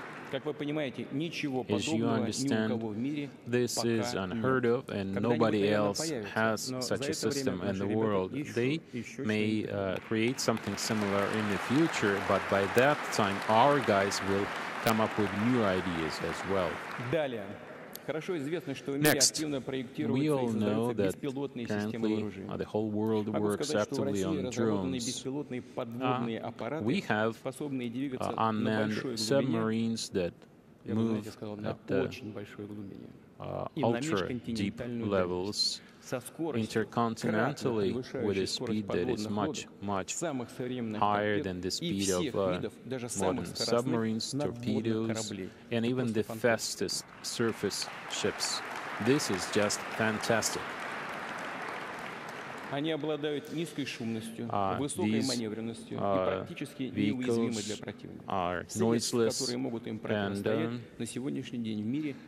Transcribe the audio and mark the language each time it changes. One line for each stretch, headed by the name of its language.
Russian: Как вы понимаете, ничего подобного ни у кого в мире пока нет.
English: This is unheard of, and nobody else has such a system in the world. They may create something similar in the future, but by that time our guys will come up with new ideas as well.
Russian: Далее. Хорошо известно, что в мире активно проектируется и создаются беспилотные системы вооружения.
English: The whole world works actively on drones. We have unmanned submarines that move at ultra-deep levels intercontinentally with a speed that is much, much higher than the speed of modern submarines, torpedoes, and even the fastest surface ships. This is just fantastic.
Russian: Они обладают низкой шумностью, высокой маневренностью и практически неуязвимы для противника. Средства, которые могут им противостоять, на сегодняшний день в мире